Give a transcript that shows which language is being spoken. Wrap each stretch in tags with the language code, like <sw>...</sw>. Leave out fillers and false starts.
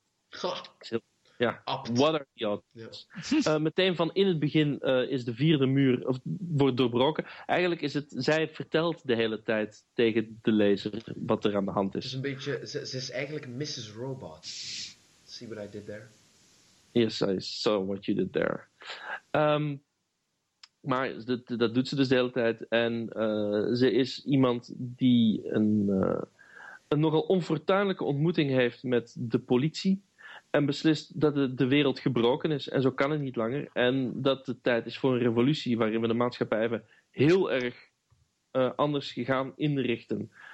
<nl>Goh. Ja, Abt.</nl> <en>What are the odds? Yes.</en> <nl>Meteen van in het begin is de vierde muur wordt doorbroken. Eigenlijk is het, zij vertelt de hele tijd tegen de lezer wat er aan de hand is. Het is een beetje, ze is eigenlijk Mrs.</nl> <en>Robot. See what I did there? Yes, I saw what you did there.</en> <nl>Maar dat doet ze dus de hele tijd. En ze is iemand die een nogal onfortuinlijke ontmoeting heeft met de politie. En beslist dat de wereld gebroken is. En zo kan het niet langer. En dat de tijd is voor een revolutie waarin we de maatschappij even heel erg anders gaan inrichten.</nl>